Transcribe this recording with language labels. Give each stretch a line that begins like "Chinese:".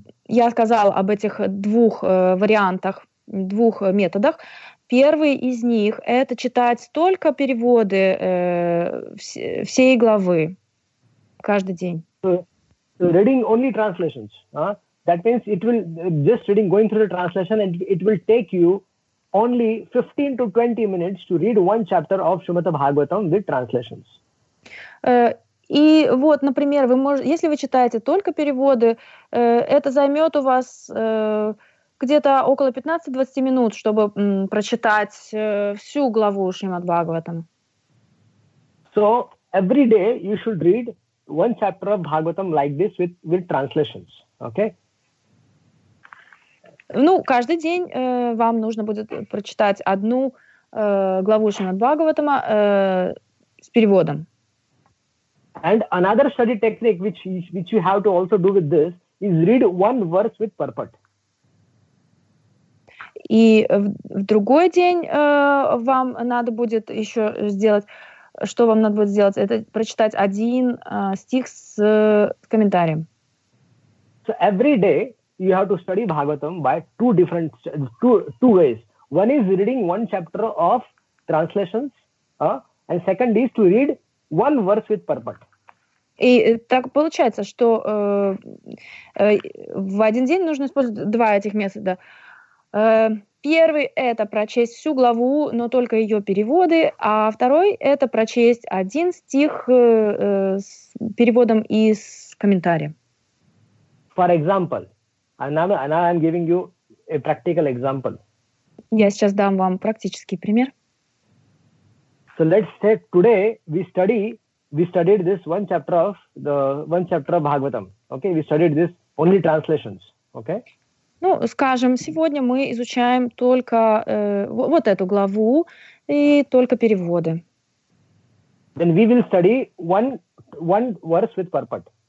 Russian: Я сказал об этих двух вариантах, двух методах. Первый из них — это читать только переводы всей главы каждый день.
English: So reading only translations. That means it will just reading, going through the translation, and it will take you only 15 to 20 minutes to read one chapter of Shrimad Bhagavatam with translations.
Russian: И вот, например, если вы читаете только переводы, это займет у вас где-то около 15-20 минут, чтобы прочитать всю главу Шримад Бхагаватам.
English: So every day you should read one chapter of Bhagavatam like this with translations, okay?
Russian: Ну, каждый день вам нужно будет прочитать одну главу Шримад Бхагаватама с переводом.
English: And another study technique which you have to also do with this is read one verse with purport.
Russian: И в другой день вам надо будет еще сделать, что вам надо будет сделать, это прочитать один стих с комментарием.
English: So every day you have to study Bhagavatam by two ways. One is reading one chapter of translations, and second is to read one verse with purport.
Russian: И так получается, что в один день нужно использовать два этих метода. Первый — это прочесть всю главу, но только ее переводы, а второй — это прочесть один стих с переводом и с комментарием.
English: For example, now I'm giving you a practical example.
Russian: Я сейчас дам вам практический пример.
English: So let's say today we studied this one chapter of Bhagavatam. Okay, we studied this only translations. Okay.
Russian: Ну, скажем, сегодня мы изучаем только вот эту главу и только переводы.
English: Then we will study one verse with purport.